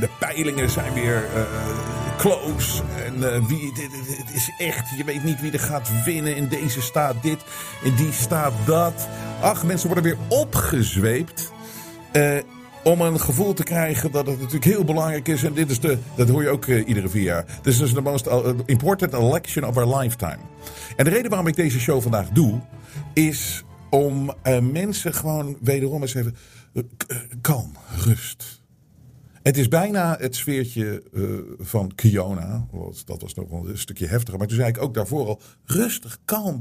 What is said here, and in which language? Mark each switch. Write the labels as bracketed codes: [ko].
[nl] De peilingen zijn weer close. En het is echt, je weet niet wie er gaat winnen. In deze staat dit, in die staat dat. Ach, mensen worden weer opgezweept. Om een gevoel te krijgen dat het natuurlijk heel belangrijk is. En dit is dat hoor je ook iedere 4 jaar. [en] This is the most important election of our lifetime. [nl] En de reden waarom ik deze show vandaag doe, is om mensen gewoon wederom eens even kalm, rust. Het is bijna het sfeertje van Kiona. Dat was nog wel een stukje heftiger. Maar toen zei ik ook daarvoor al, rustig, kalm.